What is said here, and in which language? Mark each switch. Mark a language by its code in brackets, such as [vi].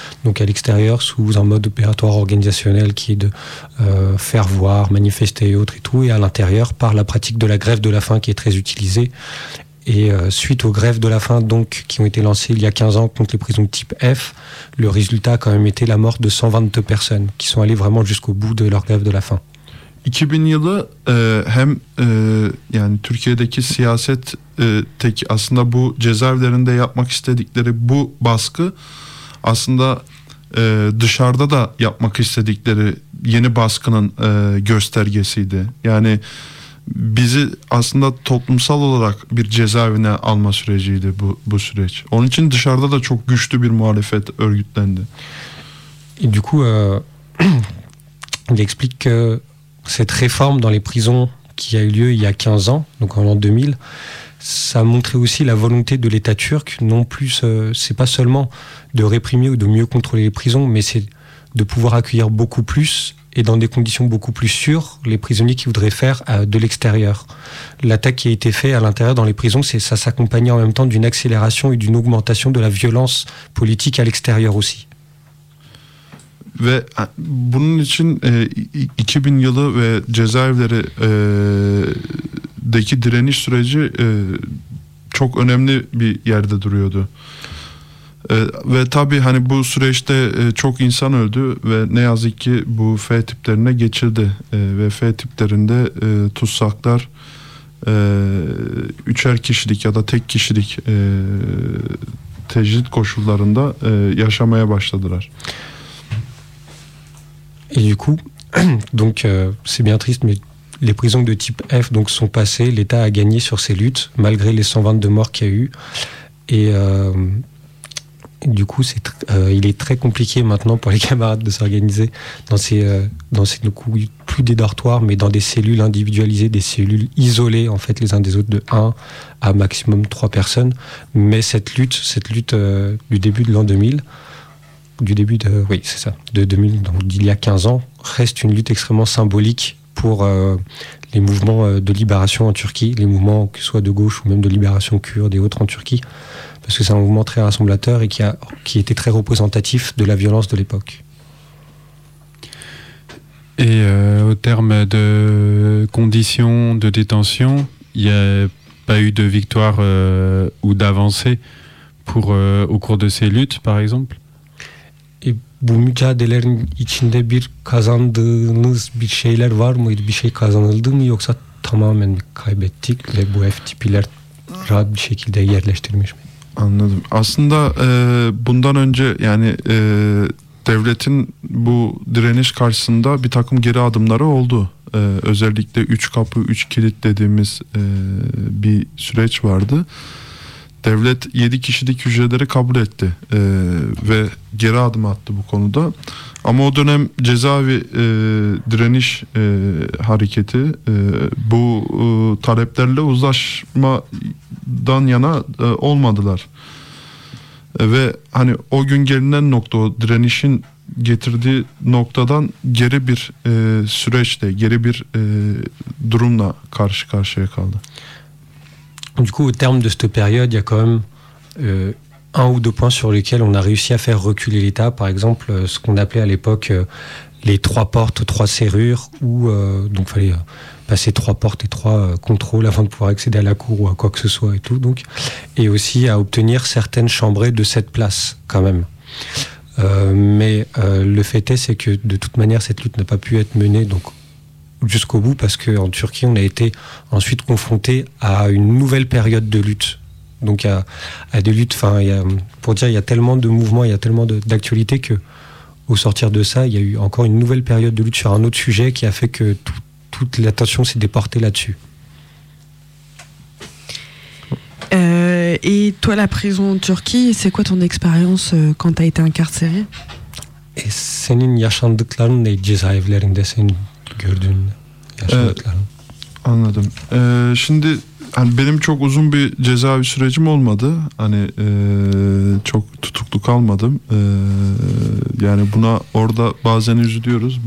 [fr] Donc à l'extérieur sous un mode opératoire organisationnel qui est de faire voir, manifester et autres et tout. Et à l'intérieur par la pratique de la grève de la faim qui est très utilisée. Et suite aux grèves de la faim donc, qui ont été lancées il y a 15 ans contre les prisons type F, le résultat a quand même été la mort de 122 personnes qui sont allées vraiment jusqu'au bout de leur grève de la faim. [tr] 2000 yılı hem yani Türkiye'deki siyaset tek aslında bu cezaevlerinde yapmak istedikleri bu baskı aslında dışarıda da yapmak istedikleri yeni baskının göstergesiydi. Yani bizi aslında toplumsal olarak bir cezaevine alma süreciydi bu süreç. Onun için dışarıda da çok güçlü bir muhalefet örgütlendi. [fr] Du coup il explique que cette réforme dans les prisons qui a eu lieu il y a 15 ans, donc en l'an 2000, ça a montré aussi la volonté de l'État turc, non plus, c'est pas seulement de réprimer ou de mieux contrôler les prisons, mais c'est de pouvoir accueillir beaucoup plus et dans des conditions beaucoup plus sûres les prisonniers qui voudraient faire de l'extérieur. L'attaque qui a été faite à l'intérieur dans les prisons, c'est, ça s'accompagne en même temps d'une accélération et d'une augmentation de la violence politique à l'extérieur aussi. [tr] Ve bunun için 2000 yılı ve cezaevleri deki direniş süreci çok önemli bir yerde duruyordu. Ve tabii hani bu süreçte çok insan öldü ve ne yazık ki bu F tiplerine geçildi. Ve F tiplerinde tutsaklar üçer kişilik ya da tek kişilik tecrit koşullarında yaşamaya başladılar. [fr] Et du coup, donc c'est bien triste, mais les prisons de type F donc sont passées. L'État a gagné sur ces luttes malgré les 122 morts qu'il y a eu. Et du coup, c'est il est très compliqué maintenant pour les camarades de s'organiser dans ces plus des dortoirs, mais dans des cellules individualisées, des cellules isolées en fait les uns des autres de 1 à maximum 3 personnes. Mais cette lutte du début de l'an 2000. Du début de, oui, c'est ça, de 2000, donc d'il y a 15 ans, reste une lutte extrêmement symbolique pour les mouvements de libération en Turquie, les mouvements que ce soit de gauche ou même de libération kurde et autres en Turquie, parce que c'est un mouvement très rassemblateur et qui était très représentatif de la violence de l'époque. Et au terme de conditions de détention, il n'y a pas eu de victoire ou d'avancée pour, au cours de ces luttes, par exemple ? [tr] Bu mücadelelerin içinde bir kazandığınız bir şeyler var mı? Bir şey kazanıldı mı yoksa tamamen kaybettik ve bu FTP'ler rahat bir şekilde yerleştirmiş mi? Anladım. Aslında bundan önce yani devletin bu direniş karşısında bir takım geri adımları oldu. Özellikle 3 kapı 3 kilit dediğimiz bir süreç vardı. Devlet 7 kişilik hücreleri kabul etti ve geri adım attı bu konuda. Ama o dönem cezaevi direniş hareketi bu taleplerle uzlaşmadan yana olmadılar. Ve hani o gün gelinen nokta, o direnişin getirdiği noktadan geri bir süreçle, geri bir durumla karşı karşıya kaldı. [fr] Du coup, au terme de cette période, il y a quand même un ou deux points sur lesquels on a réussi à faire reculer l'État. Par exemple, ce qu'on appelait à l'époque les trois portes, trois serrures, où donc fallait passer trois portes et trois contrôles avant de pouvoir accéder à la cour ou à quoi que ce soit et tout. Donc, et aussi à obtenir certaines chambrées de cette place, quand même. Le fait est, c'est que de toute manière, cette lutte n'a pas pu être menée. Donc jusqu'au bout, parce qu'en Turquie, on a été ensuite confronté à une nouvelle période de lutte. Donc, à des luttes, enfin, pour dire, il y a tellement de mouvements, il y a tellement d'actualités qu'au sortir de ça, il y a eu encore une nouvelle période de lutte sur un autre sujet qui a fait que toute l'attention s'est déportée là-dessus. Et toi, la prison en Turquie, c'est quoi ton expérience quand tu as été incarcéré ? [tr] Et senin yaşandıklarını ne cezaevlerinde senin gördüğün yaşadıklarım. Anladım. Şimdi hani benim çok uzun bir cezaevi sürecim olmadı. Hani çok tutuklu kalmadım. Yani buna orada bazen üzülüyoruz.